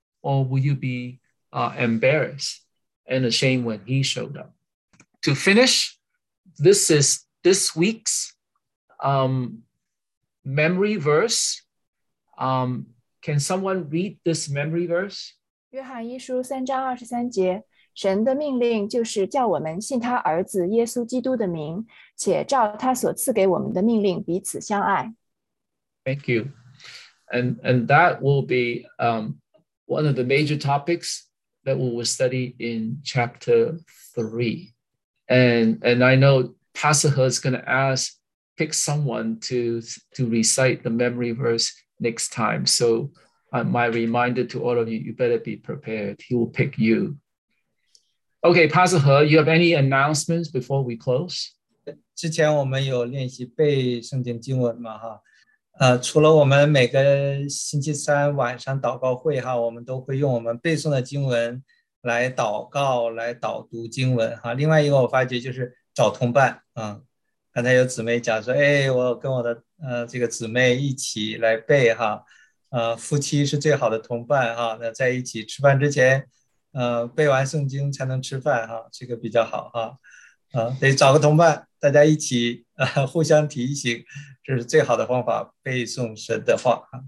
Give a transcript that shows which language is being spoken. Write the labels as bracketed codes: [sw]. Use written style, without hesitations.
[en] Or will you be embarrassed and ashamed when he showed up? To finish, this is this week's memory verse. Can someone read this memory verse? [zh] 约翰一书三章二十三节，神的命令就是叫我们信他儿子耶稣基督的名，且照他所赐给我们的命令彼此相爱。 [en] Thank you. And that will be one of the major topics that we will study in chapter 3. And I know Pastor He is going to pick someone to recite the memory verse next time. So my reminder to all of you, you better be prepared. He will pick you. Okay, Pastor He, you have any announcements before we close? [zh] 之前我们有练习背圣经经文嘛，除了我们每个星期三晚上祷告会，我们都会用我们背诵的经文来祷告，来导读经文。另外一个我发觉就是找同伴，刚才有姊妹讲说，哎，我跟我的这个姊妹一起来背哈，夫妻是最好的同伴哈，那在一起吃饭之前，背完圣经才能吃饭哈，这个比较好哈，得找个同伴，大家一起互相提醒，这是最好的方法，背诵神的话。